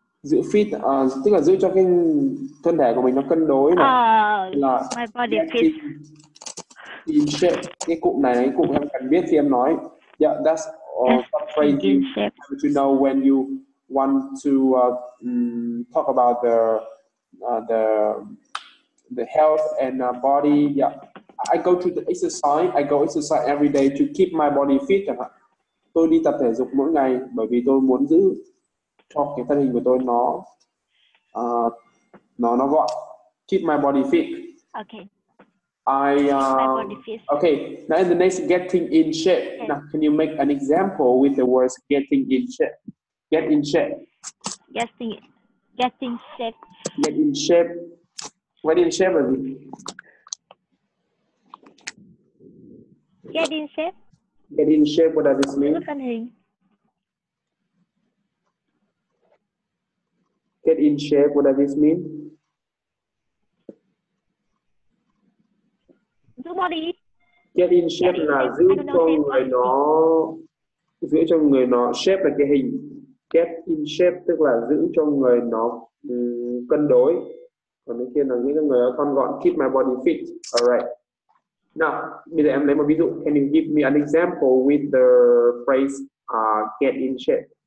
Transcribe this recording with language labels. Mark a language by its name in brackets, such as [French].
[Vietnamese] Giữ fit tức là giữ cho cái thân thể của mình nó cân đối này. [English] Là my body fit. In shape. [Vietnamese] Cái cụm này cái cụm em cần biết thì em nói. [English] Yeah, that's some phrase you have to know when you want to talk about the health and body. Yeah, I go to the exercise. I go exercise every day to keep my body fit. [Vietnamese] Tôi đi tập thể dục mỗi ngày bởi vì tôi muốn giữ cho cái thân hình của tôi nó gọn. [English] Keep my body fit. Okay. Okay, now in the next, getting in shape. Okay. Now, can you make an example with the words getting in shape? Get in shape. Getting shape. Get in shape. What in shape are you? Get in shape. Get in shape, what does this mean? Get in shape, what does this mean? [Vietnamese] Get in shape là giữ cho người nó shape là cái hình. Get in shape tức là giữ cho người nó cân đối. Còn bên kia là giữ cho người nó thon gọn. Keep my body fit. Alright. Now, bây giờ em lấy một ví dụ. [English] Can you give me an example with the phrase get in shape?